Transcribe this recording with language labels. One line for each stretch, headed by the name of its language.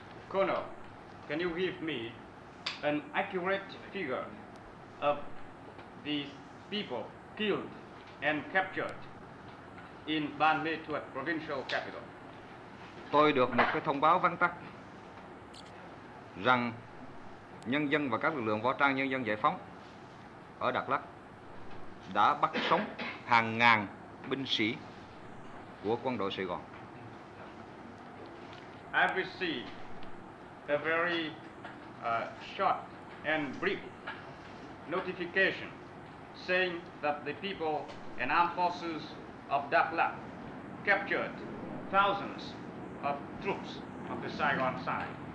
English: Colonel, can you give me an accurate figure of the people killed and captured in Ban Mê Thuột provincial capital?
Vietnamese: Tôi được một cái thông báo vắn tắt rằng nhân dân và các lực lượng võ trang nhân dân giải phóng ở Đắk Lắk đã bắt sống hàng ngàn binh sĩ của quân đội Sài Gòn.
English: I received a very short and brief notification saying that the people and armed forces of Đắk Lắk captured thousands of troops of the Saigon side.